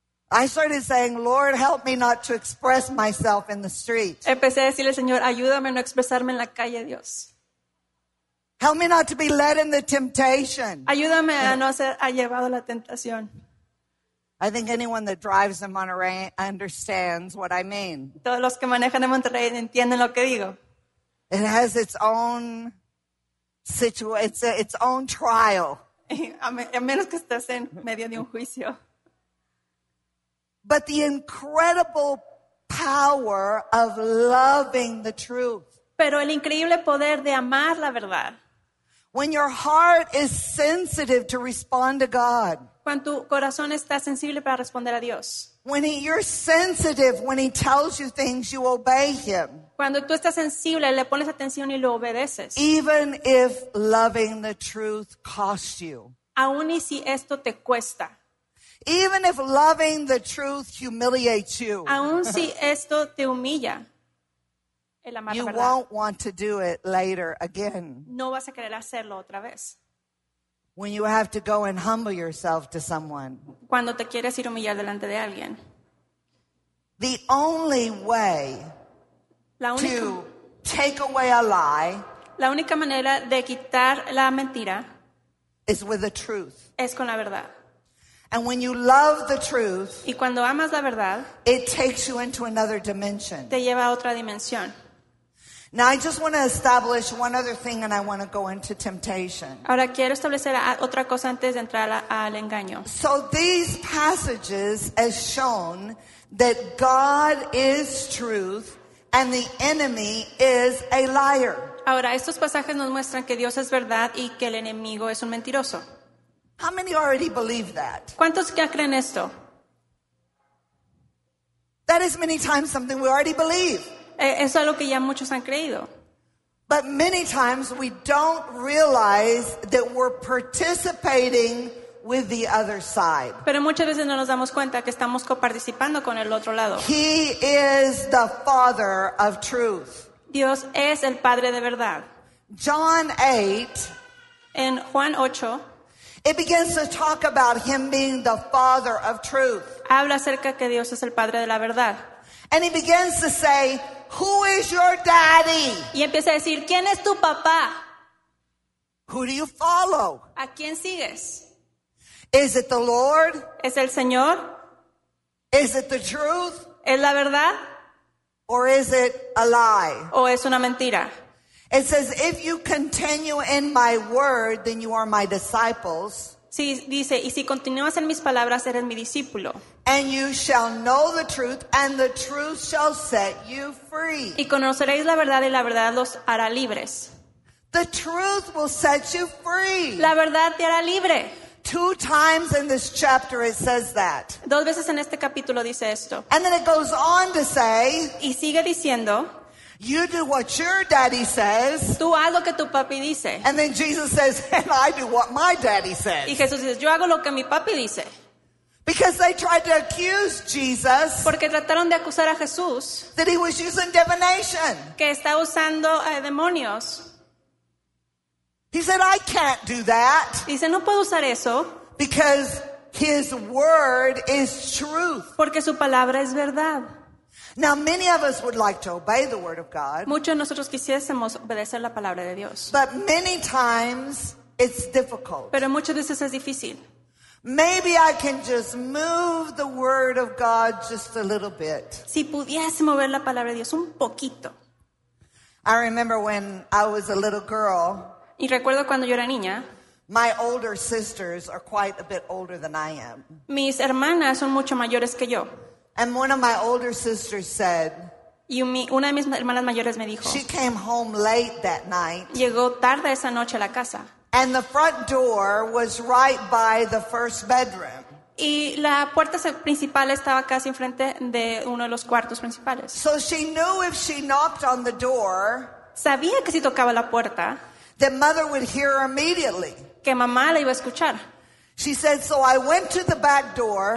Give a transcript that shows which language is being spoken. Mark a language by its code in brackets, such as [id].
[en] I started saying, Lord, help me not to express myself in the street. [es] Empecé a decirle, Señor, ayúdame no expresarme en la calle, Dios. [en] Help me not to be led in the temptation. [es] Ayúdame a no ser llevado la tentación. [en] I think anyone that drives in Monterrey understands what I mean. [es] Todos los que manejan en Monterrey entienden lo que digo. [en] It has its own situation. It's its own trial. [es] A menos que estés en medio de un juicio. [en] But the incredible power of loving the truth. [es] Pero el increíble poder de amar la verdad. [en] When your heart is sensitive to respond to God. [es] Cuando tu corazón está sensible para responder a Dios. [en] You're sensitive when he tells you things, you obey him. [es] Cuando tú estás sensible, le pones atención y lo obedeces. [en] Even if loving the truth costs you. [es] Aun y si esto te cuesta. [en] Even if loving the truth humiliates you. [es] Aun si esto te humilla. [en] You [es] verdad. [en] Won't want to do it later again. [es] No vas a querer hacerlo otra vez. [en] When you have to go and humble yourself to someone. [es] Cuando te quieres ir a humillar delante de alguien. [en] The only way to take away a lie. [es] La única manera de quitar la mentira. [en] Is with the truth. [es] Es con la verdad. [en] And when you love the truth. [es] Y cuando amas la verdad. [en] It takes you into another dimension. [es] Te lleva a otra dimensión. [en] Now I just want to establish one other thing and I want to go into temptation. [es] Ahora quiero establecer otra cosa antes de entrar al engaño. [en] So these passages have shown that God is truth and the enemy is a liar. [es] Ahora estos pasajes nos muestran que Dios es verdad y que el enemigo es un mentiroso. [en] How many already believe that? [es] ¿Cuántos ya creen esto? [en] That is many times something we already believe. [es] Eso es lo que ya muchos han creído. [en] But many times we don't realize that we're participating with the other side. [es] Pero muchas veces no nos damos cuenta que estamos coparticipando con el otro lado. [en] He is the Father of truth. [es] Dios es el Padre de verdad. [en] John 8. [es] En Juan 8. [en] It begins to talk about him being the Father of truth. [es] Habla acerca que Dios es el Padre de la verdad. [en] And he begins to say, "Who is your daddy?" [es] Y empieza a decir, ¿quién es tu papá? [en] Who do you follow? [es] ¿A quién sigues? [en] Is it the Lord? [es] ¿Es el Señor? [en] Is it the truth? [es] ¿Es la verdad? [en] Or is it a lie? [es] ¿O es una mentira? [en] It says, "If you continue in my word, then you are my disciples." [es] Sí, dice, y si continúas en mis palabras, eres mi discípulo. [en] And you shall know the truth, and the truth shall set you free. [es] Y conoceréis la verdad, y la verdad los hará libres. [en] The truth will set you free. [es] La verdad te hará libre. [en] Two times in this chapter it says that. [es] Dos veces en este capítulo dice esto. [en] And then it goes on to say, [es] y sigue diciendo, [en] you do what your daddy says. [es] Tú haz lo que tu papi dice. [en] And then Jesus says, and I do what my daddy says. [es] Y Jesús dice, yo hago lo que mi papi dice. [en] Because they tried to accuse Jesus. [es] Porque trataron de acusar a Jesús. [en] That he was using divination. [es] Que está usando demonios. [en] He said, I can't do that. [es] Dice, no puedo usar eso. [en] Because his word is truth. [es] Porque su palabra es verdad. [en] Now many of us would like to obey the word of God. [es] Muchos de nosotros quisiésemos obedecer la palabra de Dios. [en] But many times it's difficult. [es] Pero muchas veces es difícil. [en] Maybe I can just move the word of God just a little bit. [es] Si pudiese mover la palabra de Dios un poquito. [en] I remember when I was a little girl. [es] Y recuerdo cuando yo era niña. [en] My older sisters are quite a bit older than I am. [es] Mis hermanas son mucho mayores que yo. [en] And one of my older sisters said, [es] una de mis hermanas mayores me dijo, [en] she came home late that night. [es] Llegó tarde esa noche a la casa. [en] And the front door was right by the first bedroom. [es] Y la puerta principal estaba casi enfrente de uno de los cuartos principales. [en] So she knew if she knocked on the door, [es] sabía que si tocaba la puerta, [en] that mother would hear her immediately. [es] Que mamá la iba a escuchar. [en] She said, so I went to the back door.